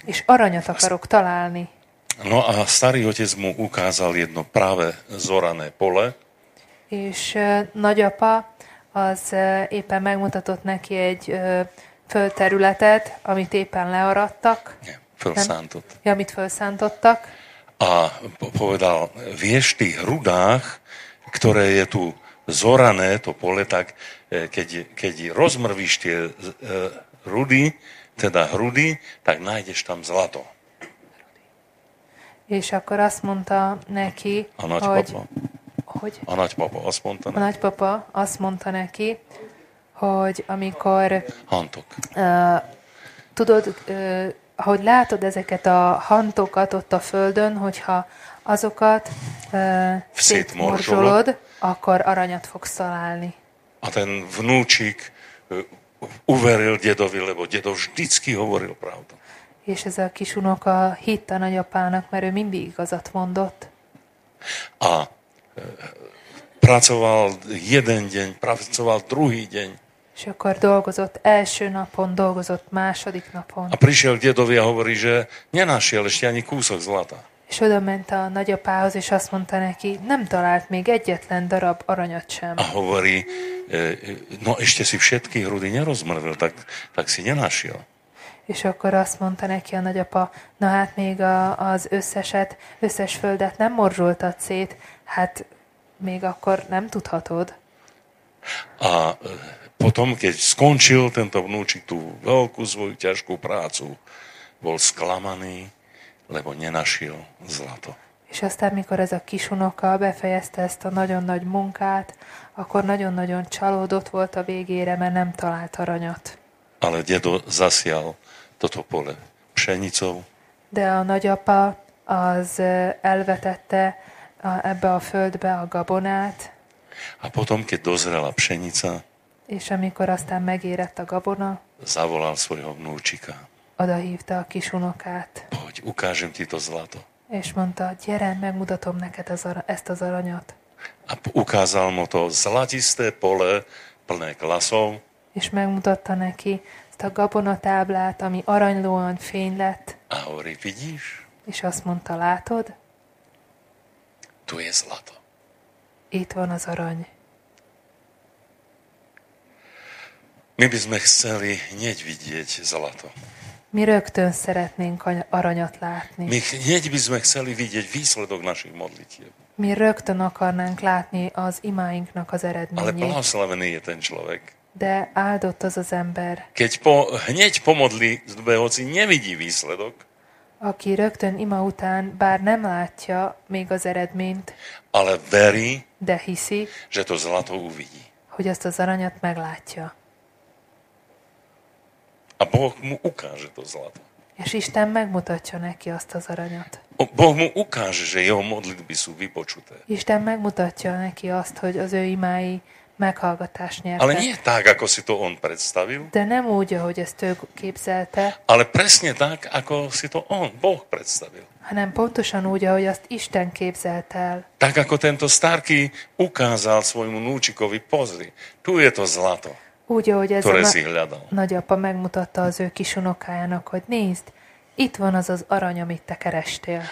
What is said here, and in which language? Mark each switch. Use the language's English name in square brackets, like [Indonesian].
[Hungarian] És aranyat akarok találni. [Slovak] No a starý otec mu ukázal jedno práve zorané pole. [Hungarian] És nagyapa az éppen megmutatott neki egy földterületet, amit éppen learadtak. Amit felszántottak. [Slovak] A povedal, vieš, tých rudách, ktoré je tu zorané, to pole, tak keď rozmrvíš tie rudy, teda hrudy, tak nájdeš tam zlato. [Hungarian] És akkor azt mondta neki, A nagypapa azt mondta neki, hogy amikor hantok. Tudod, hogy látod ezeket a hantokat ott a földön, hogyha azokat szétmorzsolod, akkor aranyat fogsz találni. [Slovak] A ten vnúčik uveril dedovi, lebo dedo vždycky hovoril pravdu. [Hungarian] És ez a kis unoka hitt a nagyapának, mert ő mindig igazat mondott. [Slovak] A pracoval jeden deň, pracoval druhý deň. [Hungarian] És akkor dolgozott első napon, dolgozott második napon. [Slovak] A prišiel dedovi a hovorí, že nenašiel ešte ani kúsok zlata. [Hungarian] És oda ment a nagyapához, és azt mondta neki, nem talált még egyetlen darab aranyat sem. [Slovak] A hovorí, no ešte si všetky hrudy nerozmrvil, tak si nenašiel. [Hungarian] És akkor azt mondta neki a nagyapa, na hát még az összeset, összes földet nem morzsoltad szét, hát még akkor nem tudhatod. [Slovak] A potom, keď skončil tento vnúčik tú veľkú svoju ťažkú prácu, bol sklamaný, lebo nenašiel zlato. [Hungarian] És aztán, mikor ez a kis unoka befejezte ezt a nagyon nagy munkát, akkor nagyon-nagyon csalódott volt a végére, mert nem talált aranyat. [Slovak] Ale dedo zasial toto pole pšenicou. [Hungarian] De a nagyapa az elvetette ebbe a földbe a gabonát. [Slovak] A potom, keď dozrela pšenica, [Hungarian] és amikor aztán megérett a gabona, [Slovak] zavolal svojho vnúčika. [Hungarian] Odahívta a kis unokát. [Slovak] Poď, ukážem ti to zlato. [Hungarian] És mondta, gyere, megmutatom neked ezt az aranyat. [Slovak] A ukázal mu to zlatisté pole plné klasov. [Hungarian] És megmutatta neki ezt a gabonatáblát, ami aranylóan fény lett. [Slovak] Ahori, vidíš? [Hungarian] És azt mondta, látod? [Slovak] Tu je zlato. [Hungarian] Itt van az arany. [Slovak] My by sme chceli hneď vidieť zlato. [Hungarian] Mi rögtön szeretnénk aranyat látni. [Slovak] My hneď by sme chceli vidieť výsledok našich modlitieb. [Hungarian] Mi rögtön akarnánk látni az imáinknak az eredményét. [Slovak] Ale blahoslavený je ten človek. [Hungarian] De áldott az az ember. [Slovak] Keď hneď po modlitbe, hoci nevidí výsledok. [Hungarian] Aki rögtön ima után, bár nem látja még az eredményt. [Slovak] Ale verí. [Hungarian] De hiszi. [Slovak] Že to zlato uvidí. [Hungarian] Hogy azt az aranyat meglátja. [Slovak] A Boh mu ukáže to zlato. [Hungarian] És Isten megmutatja neki azt az aranyat. [Slovak] Boh mu ukáže, že jeho modlitby sú vypočuté. [Hungarian] Isten megmutatja neki azt, hogy az ő imái meghallgatást nyertek. [Slovak] Ale nie tak, ako si to on predstavil. [Hungarian] De nem úgy, ahogy ezt ő képzelte. [Slovak] Ale presne tak, ako si to on, Boh, predstavil. [Hungarian] Hanem pontosan úgy, ahogy azt Isten képzelt el. [Slovak] Tak, ako tento starký ukázal svojmu núčikovi, pozri, tu je to zlato. [Hungarian] Úgy, ahogy ez nagyapa megmutatta az ő kis unokájának, hogy nézd, itt van az az arany, amit te kerestél.